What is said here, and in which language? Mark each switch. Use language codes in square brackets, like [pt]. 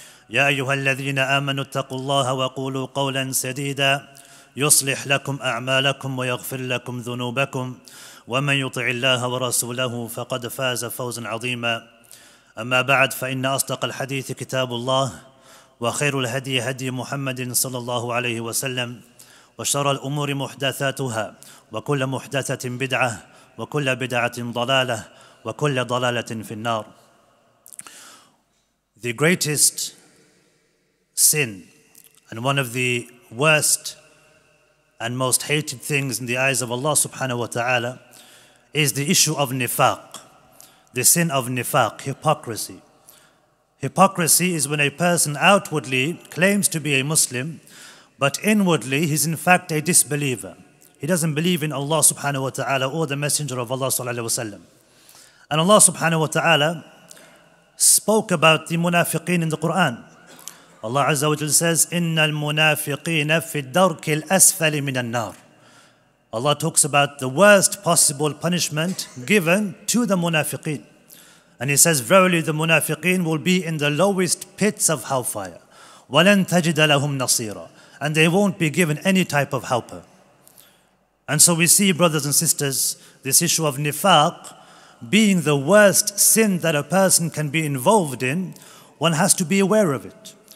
[ar] يا أيها الذين آمنوا اتقوا الله وقولوا قولا سديدا يصلح لكم أعمالكم ويغفر لكم ذنوبكم ومن يطع الله ورسوله فقد فاز فوزا عظيما أما بعد فإن أصدق الحديث كتاب الله وخير الهدي هدي محمد صلى الله عليه وسلم وشر الأمور محدثاتها وكل محدثة بدعة وكل بدعة ضلالة وكل ضلالة في النار. [en] The greatest sin and one of the worst and most hated things in the eyes of Allah subhanahu wa ta'ala is the issue of nifaq, the sin of nifaq, hypocrisy. Hypocrisy is when a person outwardly claims to be a Muslim, but inwardly he's in fact a disbeliever. He doesn't believe in Allah subhanahu wa ta'ala or the Messenger of Allah sallallahu alayhi wa sallam. And Allah subhanahu wa ta'ala spoke about the munafiqeen in the Quran. Allah Azza wa Jal says, [ar] إِنَّ الْمُنَافِقِينَ فِي الدَّرْكِ الْأَسْفَلِ مِنَ النَّارِ. [en] Allah talks about the worst possible punishment given to the munafiqeen. And He says, verily the munafiqeen will be in the lowest pits of hellfire. [ar] وَلَن تَجِدَ لَهُمْ نَصِيرًا. [en] And they won't be given any type of helper. And so we see, brothers and sisters, this issue of nifaq being the worst sin that a person can be involved in, one has to be aware of it.